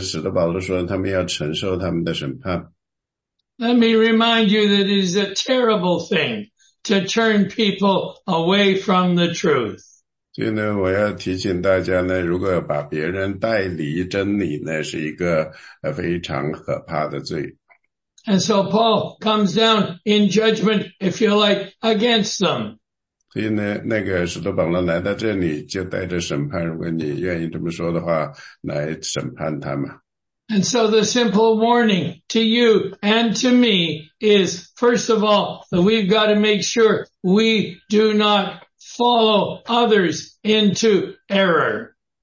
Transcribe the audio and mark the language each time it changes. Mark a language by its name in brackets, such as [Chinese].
[Chinese] 所以呢,有些人呢,他们试图呢,把那个哥林特加拉太人带离,偏离那个真理。所以呢,使徒保罗说他们要承受他们的审判。 [English] Let me remind you that it is a terrible thing to turn people away from the truth. [Chinese] 所以呢,我要提醒大家呢,如果把别人带离真理呢,是一个非常可怕的罪。 [English] And so Paul comes down in judgment, if you like, against them. [Chinese] 所以呢,那个使徒保罗来到这里,就带着审判,如果你愿意这么说的话,来审判他们。 [English] And so the simple warning to you and to me is, first of all, that we've got to make sure we do not follow others into error.